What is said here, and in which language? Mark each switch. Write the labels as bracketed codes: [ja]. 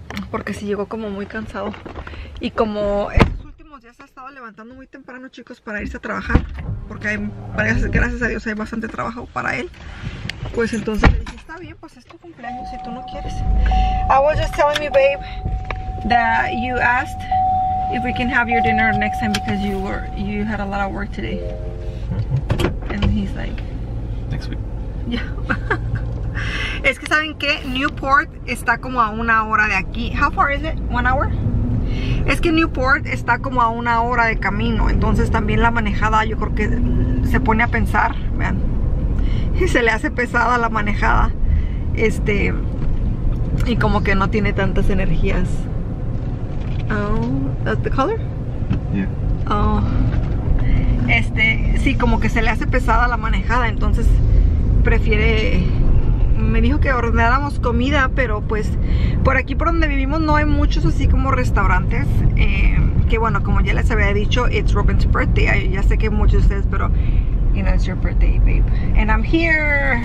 [es] Porque sí llegó como muy cansado. Y como estos últimos días ha estado levantando muy temprano, chicos, para irse a trabajar, porque hay, gracias a Dios, hay bastante trabajo para él. Pues entonces le dije, está bien, pues es tu cumpleaños si tú no quieres. [en] I was just telling me, babe, that you asked if we can have your dinner next time because you had a lot of work today. And he's like, next week. Yeah. [es] Es que saben que Newport está como a una hora de aquí. [en] How far is it? 1 hour? [es] Es que Newport está como a una hora de camino. Entonces también la manejada, yo creo que se pone a pensar, vean. Y se le hace pesada la manejada. Y como que no tiene tantas energías. [en] Oh, that's the color? Yeah. Oh. [es] Sí, como que se le hace pesada la manejada, entonces prefiere... Me dijo que ordenáramos comida, pero pues por aquí por donde vivimos no hay muchos así como restaurantes. Que bueno, como ya les había dicho, [en] it's Robin's birthday. [es] Ya sé que muchos de ustedes, pero... [en] You know, it's your birthday, babe. And I'm here.